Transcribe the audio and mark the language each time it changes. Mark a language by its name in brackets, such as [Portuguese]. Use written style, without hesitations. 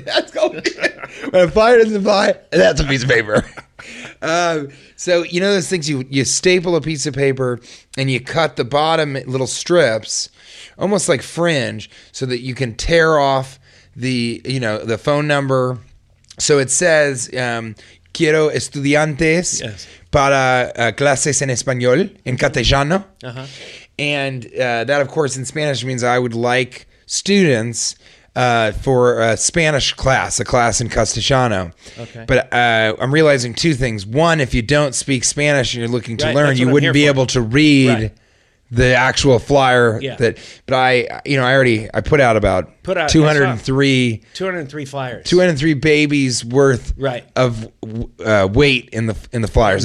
[English] That's called, when a flyer doesn't fly, that's a piece of paper. So you know those things, you staple a piece of paper and you cut the bottom little strips, almost like fringe, so that you can tear off the phone number. So it says, [Spanish] quiero estudiantes para clases en español, en castellano. Uh-huh. [English] And that, of course, in Spanish means I would like students for a Spanish class, a class in castellano. Okay. But I'm realizing two things. One, if you don't speak Spanish and you're looking to learn, you wouldn't be able to read the actual flyer I put out about 203 babies worth of weight in the flyers.